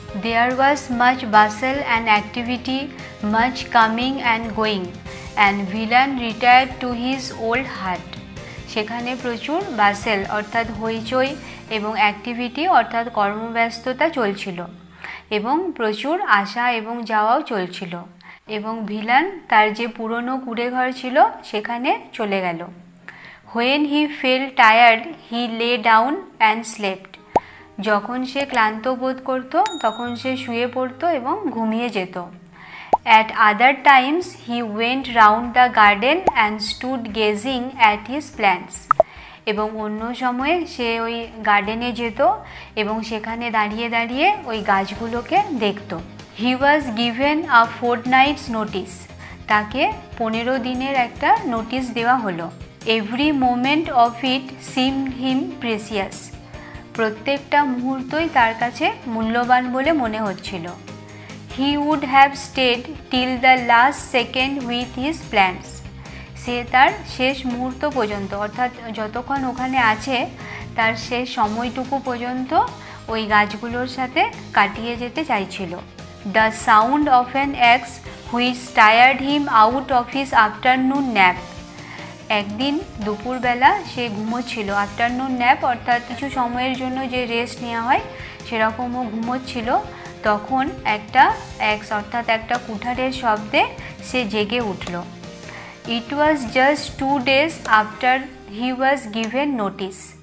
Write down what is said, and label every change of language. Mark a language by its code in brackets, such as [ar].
[en] there was much bustle and activity, much coming and going, and villain retire to his old heart, [bn] সেখানে প্রচুর basil অর্থাৎ হইচই এবং activity অর্থাৎ কর্মব্যস্ততা চলছিল এবং প্রচুর আসা এবং যাওয়াও চলছিল এবং ভিলান তার যে পুরনো কুঁড়েঘর ছিল সেখানে চলে গেল। [en] When he felt tired, he lay down and slept. [bn] যখন সে ক্লান্ত বোধ করত তখন সে শুয়ে পড়ত এবং ঘুমিয়ে যেত। [en] At other times, he went round the garden and stood gazing at his plants. [bn] এবং অন্য সময়ে সে ওই গার্ডেনে যেত এবং সেখানে দাঁড়িয়ে দাঁড়িয়ে ওই গাছগুলোকে দেখত। [en] He was given a fortnight's notice. [bn] তাকে 15 দিনের একটা নোটিশ দেওয়া হলো। [en] Every moment of it seemed him precious. [bn] প্রত্যেকটা মুহূর্তই তার কাছে মূল্যবান বলে মনে হচ্ছিল। [en] He would have stayed till the last second with his plants. [bn] সে তার শেষ মুহূর্ত পর্যন্ত অর্থাৎ যতক্ষণ ওখানে আছে তার শেষ সময়টুকু পর্যন্ত ওই গাছগুলোর সাথে কাটিয়ে যেতে চাইছিল। [en] The sound of an axe which tired him out of his afternoon nap. [bn] একদিন দুপুরবেলা সে ঘুমোচ্ছিল, আফটারনুন ন্যাপ অর্থাৎ কিছু সময়ের জন্য যে রেস্ট নেওয়া হয় সেরকমও ঘুমোচ্ছিল। তখন একটা অ্যাক্স অর্থাৎ একটা কুঠারের শব্দে সে জেগে উঠল। [en] It was just 2 days after he was given notice.